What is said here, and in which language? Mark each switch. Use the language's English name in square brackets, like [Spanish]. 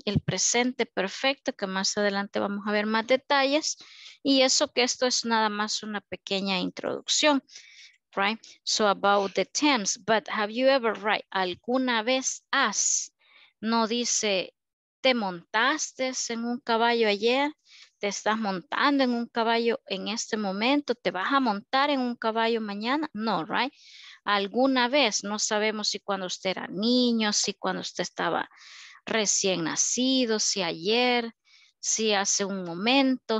[Spanish] El presente perfecto, que más adelante vamos a ver más detalles. Y eso que esto es nada más una pequeña introducción, right? [English] So about the tense, but have you ever, right? [Spanish] ¿Alguna vez has? No dice, ¿te montaste en un caballo ayer? ¿Te estás montando en un caballo en este momento? ¿Te vas a montar en un caballo mañana? No, right? ¿Alguna vez? No sabemos si cuando usted era niño, si cuando usted estaba recién nacido, si ayer, si hace un momento.